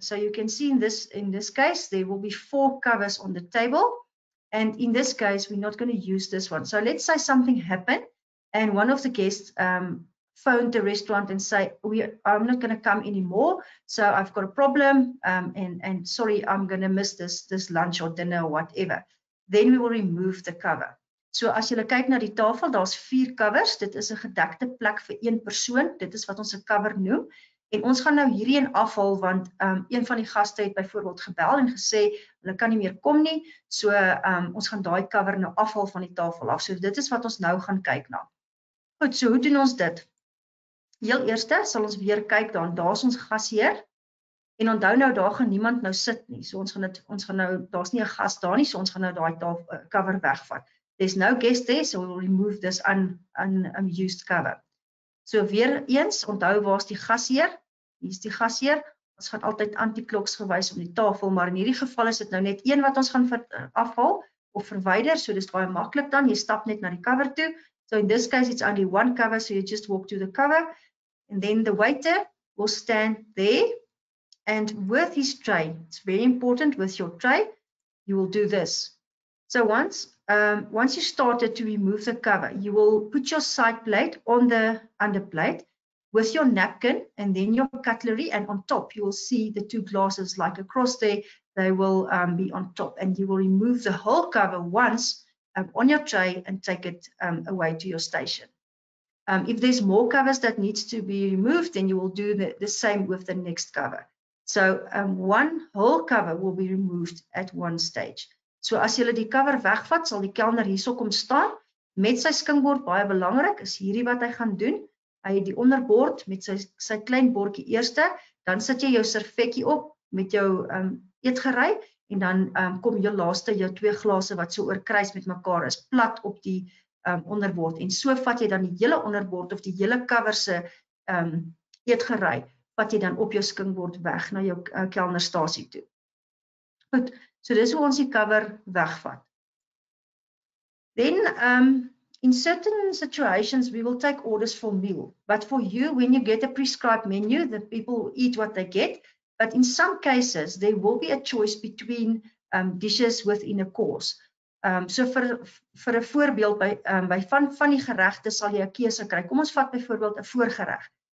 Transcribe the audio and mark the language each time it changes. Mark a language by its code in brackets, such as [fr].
[en] So you can see in this case there will be four covers on the table and in this case we're not going to use this one. So let's say something happened and one of the guests phone the restaurant and say, I'm not going to come anymore. So I've got a problem and sorry, I'm going to miss this lunch or dinner or whatever. Then we will remove the cover. [af] So as jy kyk na die tafel, daar's vier covers. Dit is 'n gedekte plek vir een persoon. Dit is wat ons 'n cover noem. En ons gaan nou hierdie een afhaal want een van die gaste het byvoorbeeld gebel en gesê hulle kan nie meer kom nie. So ons gaan daai cover nou afhaal van die tafel af. So dit is wat ons nou gaan kyk na. Goed, so hoe doen ons dit? Heel eerste sal ons weer kyk dan daar's ons gasheer. En onthou nou daar gaan niemand nou sit nie. So ons gaan nou daar's nie 'n gas daar nie, so ons gaan nou daai cover wegvat. [en] There's no guest there, so we'll remove this unused cover. [af] So weer eens, onthou waar's die gasheer? Hier's die gasheer. Ons gaan altyd anti-kloks gewys op die tafel, maar in hierdie geval is dit nou net een wat ons gaan afhaal of verwyder, so dis baie maklik dan. Jy stap net na die cover toe. [en] So in this case, it's only one cover, so you just walk to the cover and then the waiter will stand there and with his tray, it's very important with your tray, you will do this. So once you started to remove the cover, you will put your side plate on the under plate with your napkin and then your cutlery and on top you will see the two glasses like across there, they will be on top and you will remove the whole cover once on your tray and take it away to your station. If there's more covers that needs to be removed, then you will do the same with the next cover. So one whole cover will be removed at one stage. [af] So as jy die cover wegvat, sal die kelner hierso kom staan met sy skingbord. Baie belangrik is hierdie wat hy gaan doen. Hy het die onderbord met sy klein bordjie eerste, dan sit jy jou servetjie op met jou eetgerei. En dan kom jou laaste jou twee glase wat so oorkruis met mekaar is plat op die onderbord en so vat jy dan die hele onderbord of die hele cover se eetgerei vat jy dan op jou skingbord weg na jou kelnerstasie toe. Goed, so dis hoe ons die cover wegvat. [en] Then in certain situations we will take orders for meal, but for you when you get a prescribed menu, the people eat what they get. But in some cases, there will be a choice between dishes within a course. [af] So vir 'n voorbeeld by van die geregte sal jy 'n keuse kry. Kom ons vat byvoorbeeld 'n voorgereg.